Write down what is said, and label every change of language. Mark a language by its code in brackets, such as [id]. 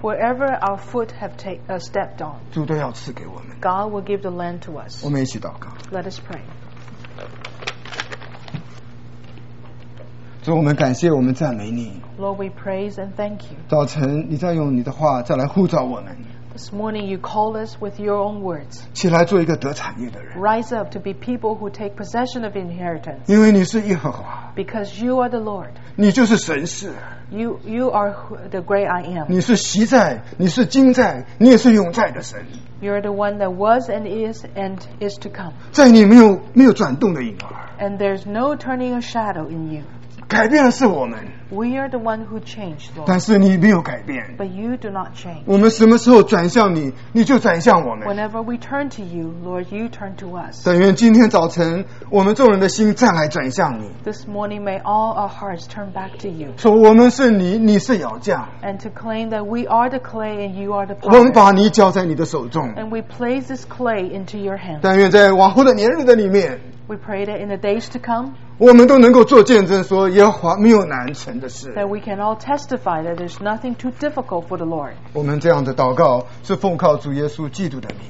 [en] Wherever our foot have stepped on. [zh] 主都要赐给我们。 [en] God will give the land to us. [zh] 我们一起祷告。 [en] Let us pray. [zh] 主，我们感谢，我们赞美你。 [en] Lord, we praise and thank you. [zh] 早晨，你再用你的话再来呼召我们。 [en] This morning you call us with your own words. [zh] 起来做一个得产业的人。 [en] Rise up to be people who take possession of inheritance. [zh] 因为你是耶和华。 [en] Because you are the Lord. [zh] 你就是神是。 [en] You are the great I am. [zh] 你是昔在，你是今在，你也是永在的神。 [en] You are the one that was and is and is to come. [zh] 在你没有转动的影儿。 [en] And there's no turning a shadow in you. [zh] 改变的是我们。 [en] We are the one who changed, Lord. [zh] 但是你没有改变。 [en] But you do not change. [zh] 我们什么时候转向你，你就转向我们。 [en] Whenever we turn to you, Lord, you turn to us. [zh] 但愿今天早晨，我们众人的心再来转向你。 [en] This morning, may all our hearts turn back to you. [zh] 说我们是泥，你是窑匠。 [en] And to claim that we are the clay and you are the potter. [zh] 我们把泥交在你的手中。 [en] And we place this clay into your hands. [zh] 但愿在往后的年日的里面。 [en] We pray that in the days to come, [zh] 我们都能够做见证说耶和华没有难成的事。 [en] That we can all testify that there's nothing too difficult for the Lord. [zh] 我们这样的祷告是奉靠主耶稣基督的名。